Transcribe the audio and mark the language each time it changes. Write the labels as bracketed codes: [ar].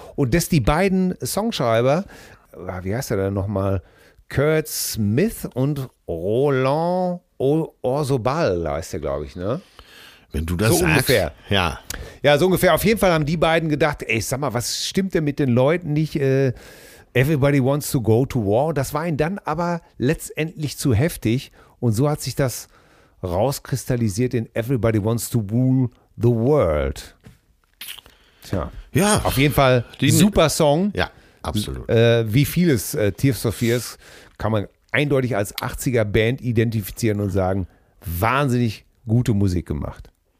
[de] Und dass die beiden Songschreiber, wie heißt er denn nochmal, Kurt Smith und Roland Orzobal, da heißt er, glaube ich, ne? Wenn du das so sagst. Ungefähr. Ja. Ja, so ungefähr. Auf jeden Fall haben die beiden gedacht, ey, sag mal, was stimmt denn mit den Leuten nicht? [en] Everybody wants to go to war. [de] Das war ihnen dann aber letztendlich zu heftig. Und so hat sich das rauskristallisiert in Everybody Wants to Rule the World. Tja. Ja. Auf jeden Fall super Song. Ja, absolut. Wie vieles Tears for Fears kann man eindeutig als 80er Band identifizieren und sagen, wahnsinnig gute Musik gemacht.